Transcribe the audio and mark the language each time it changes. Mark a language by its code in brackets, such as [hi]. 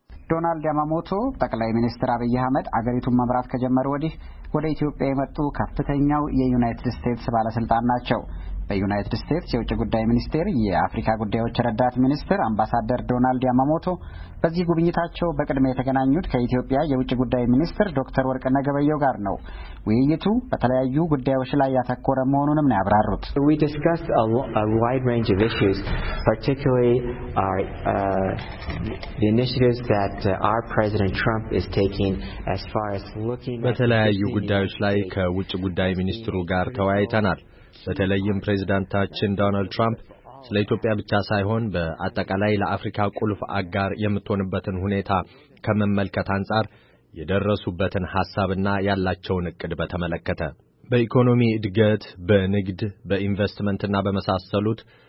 [am] ዶናልድ ያማሞቶ ጠቅላይ ሚኒስትር አብይ አህመድ አገሪቱን መምራት ከጀመሩ ወዲህ ወደ ኢትዮጵያ የመጡ ከፍተኛው የዩናይትድ ስቴትስ ባለስልጣን ናቸው። በዩናይትድ ስቴትስ የውጭ ጉዳይ ሚኒስቴር የአፍሪካ ጉዳዮች ረዳት ሚኒስትር አምባሳደር ዶናልድ ያማሞቶ በዚህ ጉብኝታቸው በቅድሚያ የተገናኙት ከኢትዮጵያ የውጭ ጉዳይ ሚኒስትር ዶክተር ወርቅነህ ገበየሁ ጋር ነው። ውይይቱ በተለያዩ ጉዳዮች ላይ ያተኮረ መሆኑንም ነው ያብራሩት። [en] We discussed a wide range of issues, particularly the initiatives that our President Trump is taking as far as looking at [am] በተለያዩ ጉዳዮች ላይ ከውጭ ጉዳይ ሚኒስትሩ ጋር ተወያይተናል። በተለይም ፕሬዝዳንታችን ዶናልድ ትራምፕ ስለ ኢትዮጵያ ብቻ ሳይሆን በአጠቃላይ ለአፍሪካ ቁልፍ አጋር የምትሆንበትን ሁኔታ ከመመልከት አንጻር የደረሱበትን ሐሳብና ያላቸውን እቅድ በተመለከተ በኢኮኖሚ እድገት፣ በንግድ፣ በኢንቨስትመንትና በመሳሰሉት